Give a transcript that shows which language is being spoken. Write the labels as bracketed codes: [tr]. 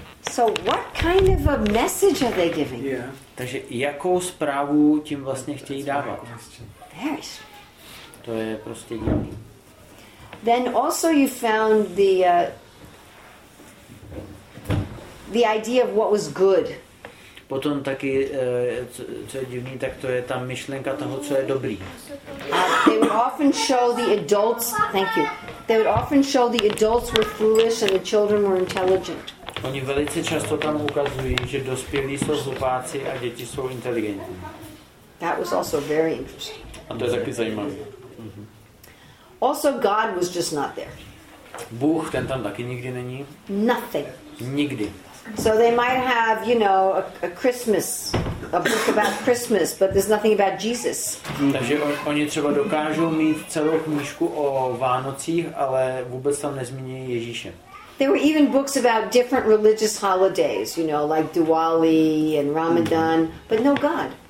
[en] So what kind of a message are they giving? Yeah. [cs] Takže jakou zprávu tím vlastně chtějí dávat? [en] Very. [cs] To je prostě divný. [en] Then also you found the idea of what was good. [cs] Potom taky co je divný, tak to je ta myšlenka toho, co je dobrý. [en] They would often show the adults, thank you. They would often show the adults were foolish and the children were intelligent. [cs] Oni velice často tam ukazují, že dospělí jsou hlupáci a děti jsou inteligentní. [en] That was also very interesting. [cs] A to je taky zajímavé. Mm-hmm. [en] Also God was just not there. [cs] Bůh, ten tam taky nikdy není. [en] Nothing. [cs] Nikdy. [en] So they might have, you know, a Christmas, a book about Christmas, but there's nothing about Jesus. [cs] Takže oni třeba dokážou mít celou knížku o Vánocích, ale vůbec tam nezmíní Ježíše. [en] There were even books about different religious holidays, you know, like Diwali and Ramadan, but no God.